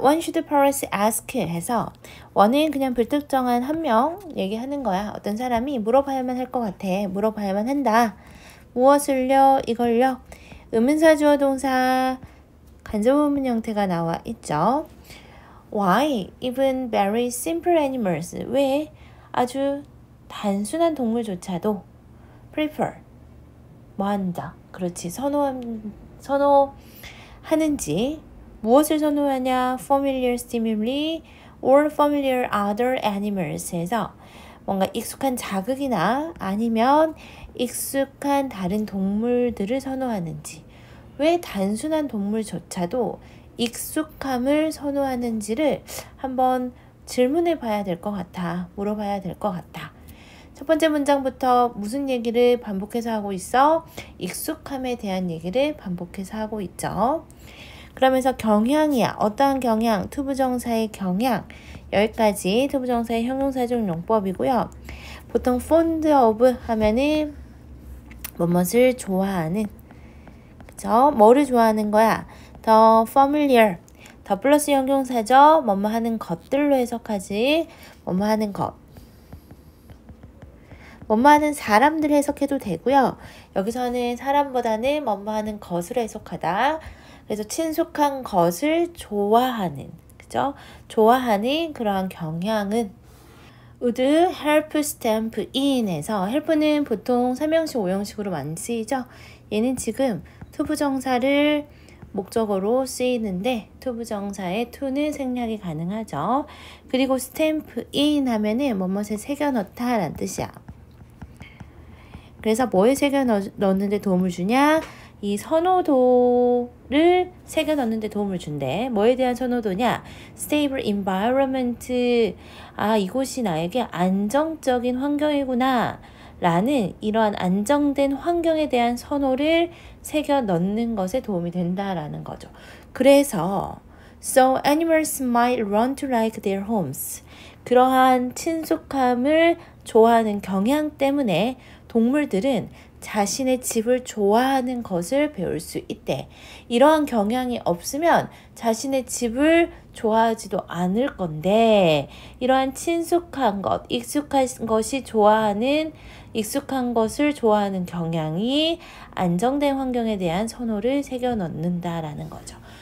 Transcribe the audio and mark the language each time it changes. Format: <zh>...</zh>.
<en>When should Paris ask?</en> <ko>해서 원은 그냥 불특정한 한명 얘기하는 거야. 어떤 사람이 물어봐야만 할것 같아. 물어봐야만 한다. 무엇을요? 이걸요? 의문사 주어 동사 간접문 형태가 나와 있죠.</ko> <en>Why even very simple animals?</en> <ko>왜 아주 단순한 동물조차도 prefer 뭐 한다. 그렇지. 선호하는지 무엇을 선호하냐?</ko> <en>Familiar stimuli or familiar other animals</en> <ko>해서 뭔가 익숙한 자극이나 아니면 익숙한 다른 동물들을 선호하는지. 왜 단순한 동물조차도 익숙함을 선호하는지를 한번 질문해 봐야 될것 같아. 물어봐야 될것 같아. 첫 번째 문장부터 무슨 얘기를 반복해서 하고 있어? 익숙함에 대한 얘기를 반복해서 하고 있죠. 그러면서 경향이야. 어떠한 경향? 투부정사의 경향. 여기까지 투부정사의 형용사적 용법이고요. 보통 fond of 하면은 뭐뭇을 좋아하는. 저 뭐를 좋아하는 거야?</ko> <en>The familiar, the plus</en> <ko>형용사죠. 뭐뭐 하는 것들로 해석하지. 뭐뭐 하는 것. 뭐뭐 하는 사람들 해석해도 되고요. 여기서는 사람보다는 뭐뭐 하는 것으로 해석하다. 그래서 친숙한 것을 좋아하는, 그죠? 좋아하는 그러한 경향은.</ko> <en>would help stamp in</en> <ko>에서 help는 보통 3형식, 5형식으로 많이 쓰이죠. 얘는 지금 투부정사를 목적으로 쓰이는데 투부정사의 to는 생략이 가능하죠. 그리고 stamp in 하면은 뭐뭐에 새겨넣다라는 뜻이야. 그래서 뭐에 새겨넣는데 도움을 주냐? 이 선호도를 새겨넣는데 도움을 준대. 뭐에 대한 선호도냐?</ko> <en>Stable environment.</en> <ko>아, 이곳이 나에게 안정적인 환경이구나. 라는 이러한 안정된 환경에 대한 선호를 새겨 넣는 것에 도움이 된다라는 거죠. 그래서</ko> <en>so animals might run to like their homes.</en> <ko>그러한 친숙함을 좋아하는 경향 때문에 동물들은 자신의 집을 좋아하는 것을 배울 수 있대. 이러한 경향이 없으면 자신의 집을 좋아하지도 않을 건데, 이러한 친숙한 것, 익숙한 것이 좋아하는, 익숙한 것을 좋아하는 경향이 안정된 환경에 대한 선호를 새겨 넣는다라는 거죠.</ko>